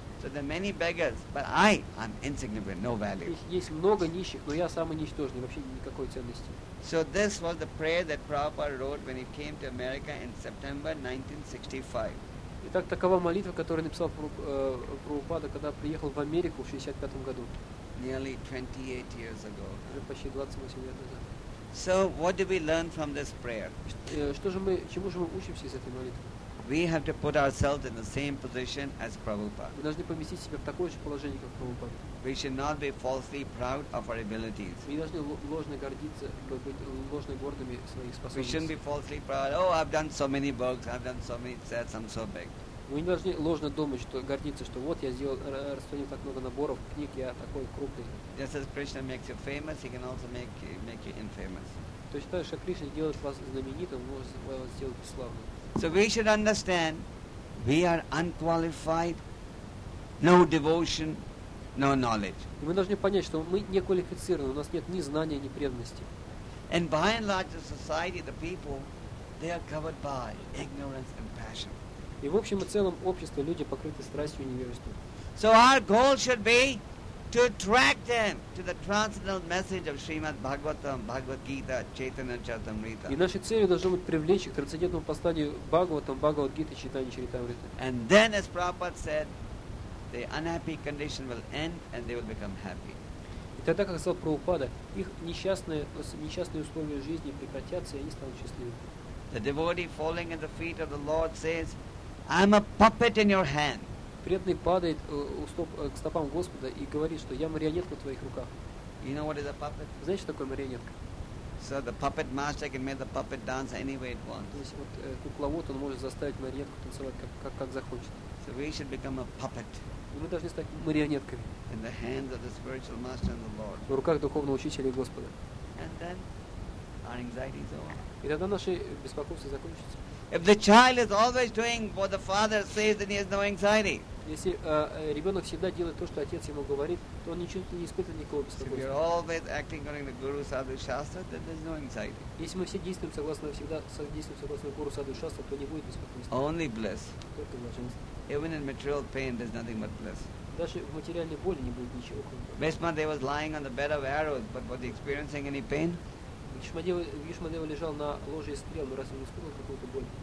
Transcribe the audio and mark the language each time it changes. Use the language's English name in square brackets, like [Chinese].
[English] So there are many beggars, but I'm insignificant, no value. [Russian] Есть много нищих, но я самый ничтожный, вообще никакой ценности. [English] So this was the prayer that Prabhupada wrote when he came to America in September 1965. [Russian] Итак, такова молитва, которую написал Прабхупада, когда приехал в Америку в 65 году. [English] Nearly 28 years ago. [Russian] Уже почти 28 лет назад. [English] So, what do we learn from this prayer? [Russian] Чему же мы учимся из этой молитвы? [English] We have to put ourselves in the same position as Prabhupada. [Russian] Мы должны поместить себя в такое же положение, как Прабхупада. [English] We should not be falsely proud of our abilities. [Russian] Мы не должны ложно гордиться, быть ложно гордыми своих способностей. [English] We shouldn't be falsely proud. Oh, I've done so many books. I've done so many sets. I'm so big. [Russian] Мы не должны ложно думать, что гордиться, что вот я сделал, распространил так много наборов книг, я такой крупный. [English] Just as Krishna makes you famous, he can also make you infamous. [Russian] То есть так же, как Кришна делает вас знаменитым, может вас сделать славным. [English] So we should understand, we are unqualified, no devotion, no knowledge. [Russian] И мы должны понять, что мы не квалифицированы, у нас нет ни знания, ни преданности. [English] And by and large, the society, the people, they are covered by ignorance and passion. [Russian] И в общем и целом общество, люди покрыты страстью и невежеством. [English] So our goal should be to attract them to the transcendental message of Srimad Bhagavatam, Bhagavad Gita, Chaitanya Charitamrita. [Russian] И нашей целью должно быть привлечь их к трансцендентному посланию Бхагаватам, Бхагавад Гита, Чайтанья Чаритамрита. [English] And then, as Prabhupada said, the unhappy condition will end and they will become happy. [Russian] И тогда, как сказал Прабхупада, их несчастные условия жизни прекратятся, и они станут счастливыми. [English] The devotee falling at the feet of the Lord says, I'm a puppet in your hand. [Russian] Преданный падает к стопам Господа и говорит, что я марионетка в твоих руках. [English] You know what is a puppet? [Russian] Знаешь, что такое марионетка? [English] So the puppet master can make the puppet dance any way it wants. [Russian] То есть вот кукловод, он может заставить марионетку танцевать как захочет. [English] So we should become a puppet. [Russian] И мы должны стать марионетками. [English] In the hands of the spiritual master and the Lord. [Russian] В руках духовного учителя и Господа. [English] And then our anxiety is over. [Russian] И тогда наши беспокойства закончатся. [English] If the child is always doing what the father says, then he has no anxiety. [Russian] Если ребенок всегда делает то, что отец ему говорит, то он ничего не испытывает никакого беспокойства. [English] If you're always acting according to Guru Sadhu Shastra, then there's no anxiety. [Russian] Если мы все действуем согласно Guru Sadhu Shastra, то не будет беспокойства. [English] Only bliss. [Russian] Только блаженство. [English] Even in material pain, there's nothing but bliss. [Russian] Даже в материальной боли не будет ничего. [English] Bhishma, they was lying on the bed of arrows, but was he experiencing any pain? [Russian] Кришнадева лежал на ложе из стрел, но разве не испытывал какую-то боль?